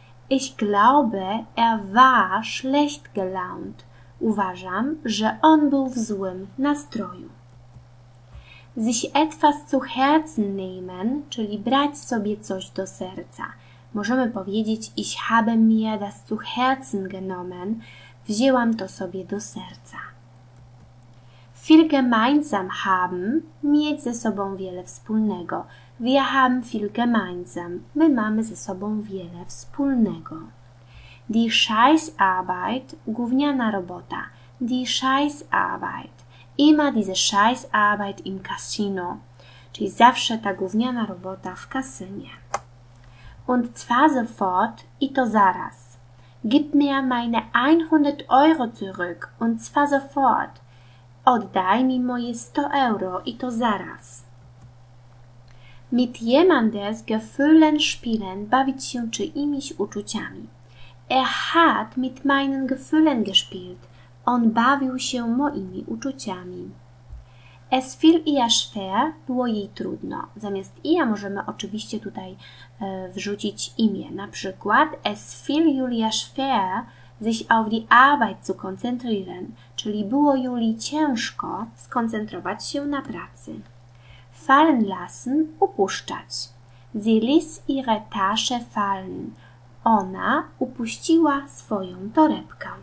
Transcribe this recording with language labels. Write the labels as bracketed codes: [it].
[de] Ich glaube, er war schlecht gelaunt. [pl] Uważam, że on był w złym nastroju. [de] Sich etwas zu Herzen nehmen, [pl] czyli brać sobie coś do serca. Możemy powiedzieć [de] Ich habe mir das zu Herzen genommen. [pl] Wzięłam to sobie do serca. [de] Viel gemeinsam haben. [pl] Mieć ze sobą wiele wspólnego. [de] Wir haben viel gemeinsam. [pl] My mamy ze sobą wiele wspólnego. [de] Die Scheißarbeit, [pl] gówniana robota. [de] Die Scheißarbeit. Immer diese Scheißarbeit im Casino. [pl] Czyli zawsze ta gówniana robota w kasynie. [de] Und zwar sofort, [pl] i to zaraz. [de] Gib mir meine 100 euro zurück, und zwar sofort. [pl] Oddaj mi moje 100 euro, i to zaraz. [de] Mit jemandes Gefühlen spielen, [pl] bawić się czyimiś uczuciami. [de] Er hat mit meinen Gefühlen gespielt. [pl] On bawił się moimi uczuciami. [de] Es fiel ihr schwer, [pl] było jej trudno. Zamiast ihr możemy oczywiście tutaj wrzucić imię. Na przykład [de] Es fiel Julia schwer, sich auf die Arbeit zu konzentrieren. [pl] Czyli było Julii ciężko skoncentrować się na pracy. [de] Fallen lassen, upuszczać. Sie ließ ihre Tasche fallen. [pl] Ona upuściła swoją torebkę.